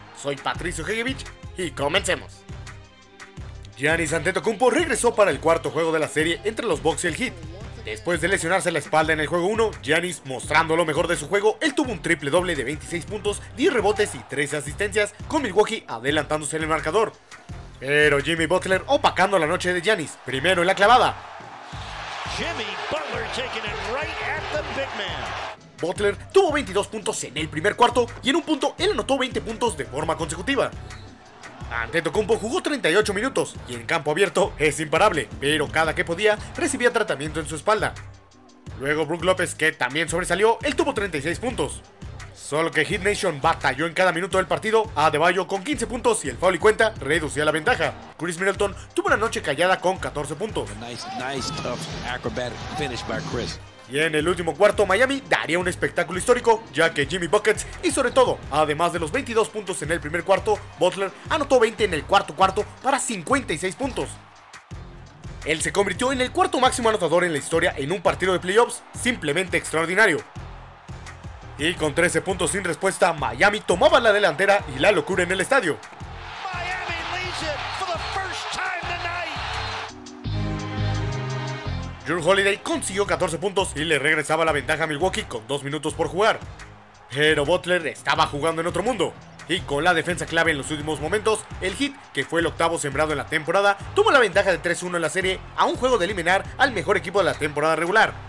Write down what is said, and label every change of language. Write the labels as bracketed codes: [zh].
[es] Soy Patricio Hegevich y comencemos. Giannis Antetokounmpo regresó para el cuarto juego de la serie entre los Bucks y el Heat. Después de lesionarse la espalda en el juego 1, Giannis mostrando lo mejor de su juego, él tuvo un triple doble de 26 puntos, 10 rebotes y 13 asistencias, con Milwaukee adelantándose en el marcador. Pero Jimmy Butler opacando la noche de Giannis, primero en la clavada. [en] Jimmy Butler taking it right at the big man. [es] Butler tuvo 22 puntos en el primer cuarto y en un punto él anotó 20 puntos de forma consecutiva. Antetokounmpo jugó 38 minutos y en campo abierto es imparable, pero cada que podía recibía tratamiento en su espalda. Luego Brook Lopez, que también sobresalió, él tuvo 36 puntos. Solo que Heat Nation batalló en cada minuto del partido, Adebayo con 15 puntos y el foul y cuenta reducía la ventaja. Chris Middleton tuvo una noche callada con 14 puntos. [en] Nice, tough, acrobatic finish by Chris. [es] Y en el último cuarto, Miami daría un espectáculo histórico, ya que Jimmy Buckets y sobre todo, además de los 22 puntos en el primer cuarto, Butler anotó 20 en el cuarto cuarto para 56 puntos. Él se convirtió en el cuarto máximo anotador en la historia en un partido de playoffs, simplemente extraordinario. Y con 13 puntos sin respuesta, Miami tomaba la delantera y la locura en el estadio. [en] Miami leads it for the first time tonight. [es] Jrue Holiday consiguió 14 puntos y le regresaba la ventaja a Milwaukee con 2 minutos por jugar. Pero Butler estaba jugando en otro mundo. Y con la defensa clave en los últimos momentos, el Heat, que fue el octavo sembrado en la temporada, tuvo la ventaja de 3-1 en la serie a un juego de eliminar al mejor equipo de la temporada regular.